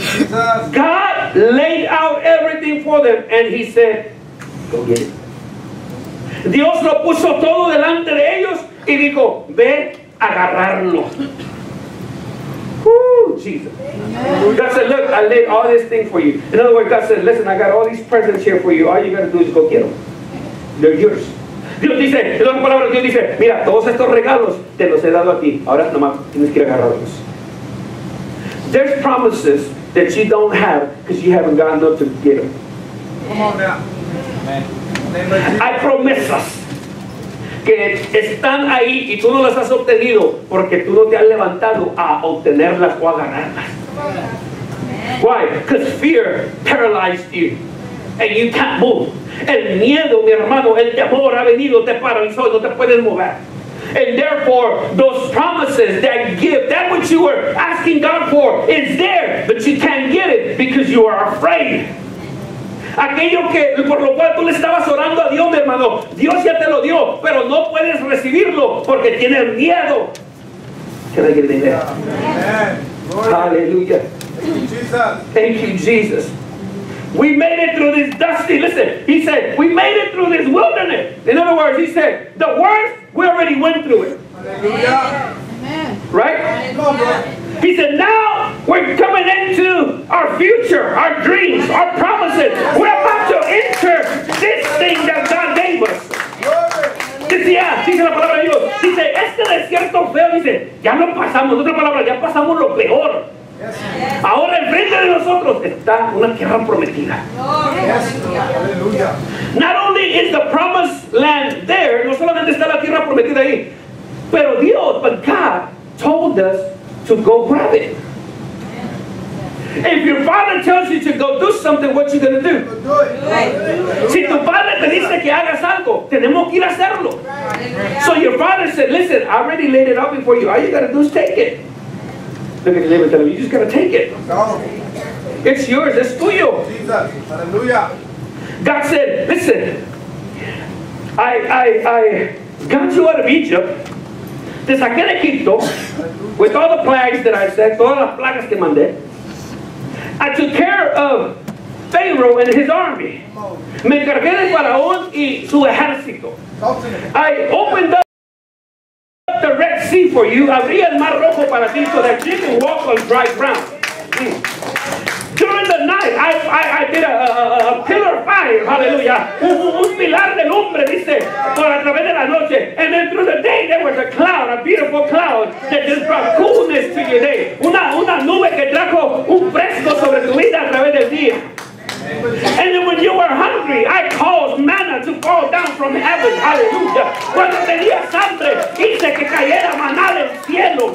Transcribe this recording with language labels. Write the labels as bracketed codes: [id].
[en] God laid out everything for them and he said, go get it. [es] Dios lo puso todo delante de ellos y dijo, ve a agarrarlo. [en] Jesus. God said, look, I laid all this thing for you. In other words, God said, listen, I got all these presents here for you. All you got to do is go get them. They're yours. [es] Dios dice, en otras palabras, Dios dice, mira, todos estos regalos te los he dado a ti. Ahora nomás tienes que ir a agarrarlos. [en] There's promises that you don't have because you haven't gotten up to get them. Come on now. [es] Hay promesas que están ahí y tú no las has obtenido porque tú no te has levantado a obtenerlas o a ganarlas. [en] Why? Because fear paralyzed you. And you can't move. [es] El miedo, mi hermano, el temor ha venido, te paralizó, no te puedes mover. [en] And therefore, those promises, that gift, that which you were asking God for, is there, but you can't get it because you are afraid. [es] Aquello que por lo cual tú le estabas orando a Dios, mi hermano, Dios ya te lo dio, pero no puedes recibirlo porque tienes miedo. [en] Can I get an amen? Hallelujah. Thank you, Jesus. We made it through this dusty, listen, he said, we made it through this wilderness. In other words, he said, the worst, we already went through it. Hallelujah. Right? He said, now we're coming into our future, our dreams, our promises. We're about to enter this thing that God gave us. [es] Decía, dice la palabra de Dios, dice, este desierto feo, dice, ya no pasamos, otra palabra, ya pasamos lo peor. Ahora enfrente de nosotros está una tierra prometida. [en] Not only is the promised land there, [es] no solamente está la tierra prometida ahí, pero Dios, [en] but God told us to go grab it. If your father tells you to go do something, what you gonna do? [es] Si tu padre te dice que hagas algo, tenemos que ir a hacerlo. [en] So your father said, listen, I already laid it out before you. All you gotta do is take it. Look at the neighbor and tell him, you just gotta take it. It's yours, it's tuyo. God said, listen, I got you out of Egypt, [es] te saqué de Egipto, [en] with all the plagues that I sent, [es] todas las plagas que mandé. [en] I took care of Pharaoh and his army. [es] Me encargué de Faraón y su ejército. [en] I opened up the Red Sea for you. [es] Abrí el Mar Rojo para ti [en] so that you can walk on dry ground. During the night, I did a pillar of fire, hallelujah. [es] Un pilar de lumbre, dice, por a través de la noche. [en] And then through the day, there was a cloud, a beautiful cloud, that just brought coolness to your day. [es] Una nube que trajo un fresco sobre tu vida a través del día. [en] And then when you were hungry, I caused manna to fall down from heaven. Hallelujah. [es] Cuando tenías hambre, hice que cayera maná del cielo.